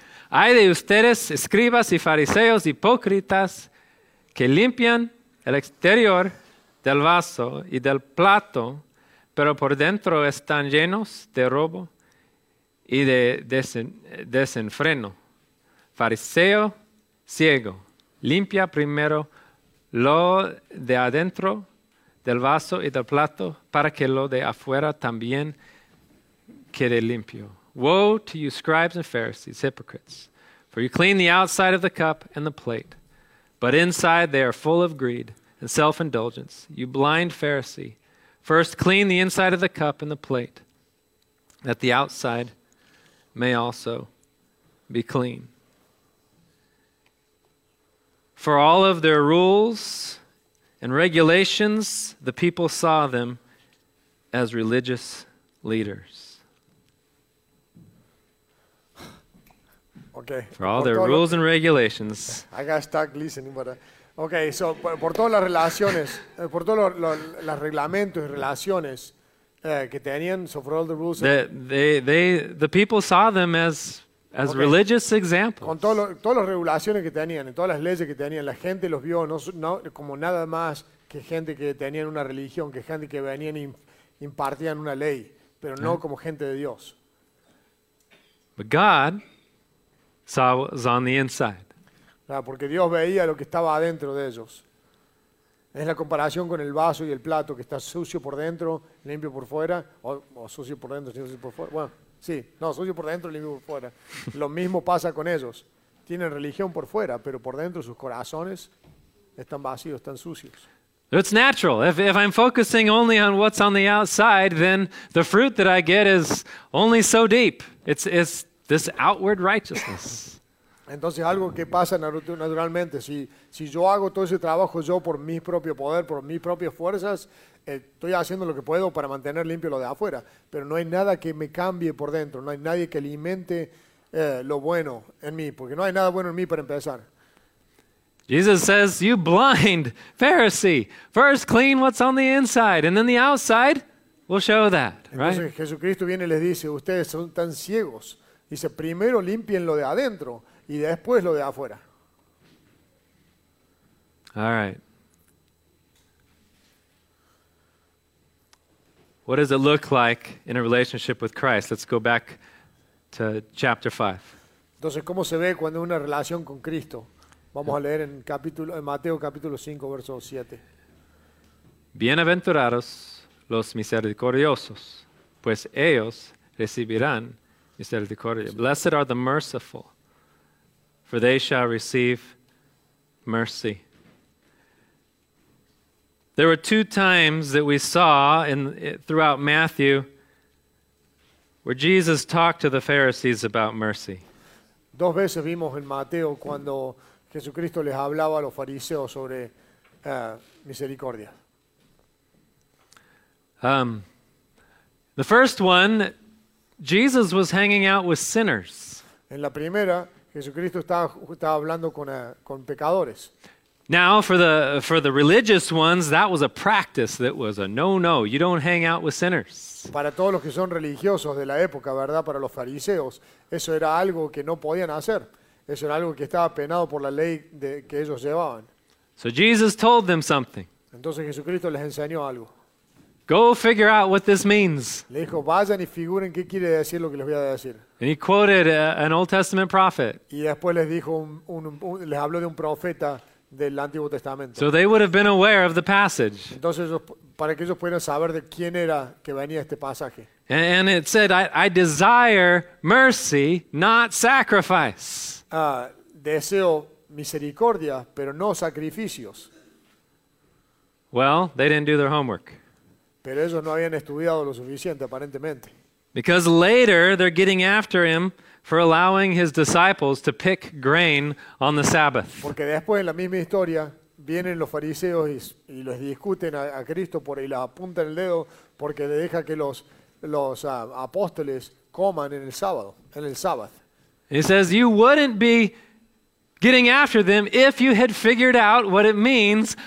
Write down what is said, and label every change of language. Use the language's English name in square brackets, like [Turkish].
[Spanish] Ay de ustedes, escribas y fariseos hipócritas, que limpian el exterior del vaso y del plato, pero por dentro están llenos de robo y de desenfreno. Fariseo ciego, limpia primero lo de adentro del vaso y del plato, para que lo de afuera también quede limpio. [English] Woe to you, scribes and Pharisees, hypocrites! For you clean the outside of the cup and the plate, but inside they are full of greed and self-indulgence. You blind Pharisee, first clean the inside of the cup and the plate, that the outside may also be clean. For all of their rules and regulations, the people saw them as religious leaders. Okay. For all their rules and regulations. I got stuck listening, but okay. [Spanish] So por todas las relaciones, por todos los reglamentos y relaciones que tenían, [English] so for all the rules. The people saw them as okay. Religious examples. [Spanish] Con todas las regulaciones que tenían, todas las leyes que tenían, la gente los vio no como nada más que gente que tenían una religión, que gente que venían y impartían una ley, pero no como gente de Dios. [English] But God. Saw what was on the inside. [Spanish] Porque Dios veía lo que estaba adentro de ellos. Es la comparación con el vaso y el plato que está sucio por dentro, limpio por fuera, o sucio por dentro, sucio por fuera. Bueno, sí, no, sucio por dentro, limpio por fuera. Lo mismo pasa con ellos. Tienen religión por fuera, pero por dentro sus corazones están vacíos, están sucios. [English] It's natural. If I'm focusing only on what's on the outside, then the fruit that I get is only so deep. It's this outward righteousness. [Spanish] Entonces algo que pasa naturalmente, si yo hago todo ese trabajo yo por mi propio poder, por mis propias fuerzas, estoy haciendo lo que puedo para mantener limpio lo de afuera, pero no hay nada que me cambie por dentro, no hay nadie que alimente lo bueno en mí, porque no hay nada bueno en mí para empezar. [English] Jesus says, "You blind Pharisee, first clean what's on the inside and then the outside will show that." [Spanish] Entonces, [English] right? [Spanish] Jesucristo viene y les dice, "Ustedes son tan ciegos. Dice, primero limpien lo de adentro y después lo de afuera. [English] All right. What does it look like in a relationship with Christ? Let's go back to chapter 5. [Spanish] Entonces, ¿cómo se ve cuando una relación con Cristo? Vamos a leer en Mateo capítulo 5, verso 7. Bienaventurados los misericordiosos, pues ellos recibirán misericordia. Sí. [English] Blessed are the merciful, for they shall receive mercy. There were two times that we saw in throughout Matthew where Jesus talked to the Pharisees about mercy. [Spanish] Dos veces vimos en Mateo cuando Jesucristo les hablaba a los fariseos sobre misericordia. [English] The first one, Jesus was hanging out with sinners. [Spanish] En la primera, Jesucristo estaba hablando con pecadores. [English] Now, for the religious ones, that was a practice that was a no-no. You don't hang out with sinners. [Spanish] Para todos los que son religiosos de la época, ¿verdad? Para los fariseos, eso era algo que no podían hacer. Eso era algo que estaba penado por la ley que ellos llevaban. [English] So Jesus told them something. [Spanish] Entonces Jesucristo les enseñó algo. [English] Go figure out what this means. [Spanish] Le dijo, vayan y figuren qué quiere decir lo que les voy a decir. [English] And he quoted an Old Testament prophet. [Spanish] Y después les dijo les habló de un profeta del Antiguo Testamento. [English] So they would have been aware of the passage. [Spanish] Entonces, para que ellos pudieran saber de quién era que venía este pasaje. [English] And it said, I desire mercy, not sacrifice. [Spanish] Deseo misericordia, pero no sacrificios. [English] Well, they didn't do their homework. [Spanish] Pero ellos no habían estudiado lo suficiente, aparentemente. [English] Because later they're getting after him for allowing his disciples to pick grain on the Sabbath. [Spanish] Porque después en la misma historia vienen los fariseos y los discuten a Cristo por y le apuntan el dedo porque le deja que los apóstoles coman en el sábado, en el Sabbath. [English] He says you wouldn't be getting after them if you had figured out what it means.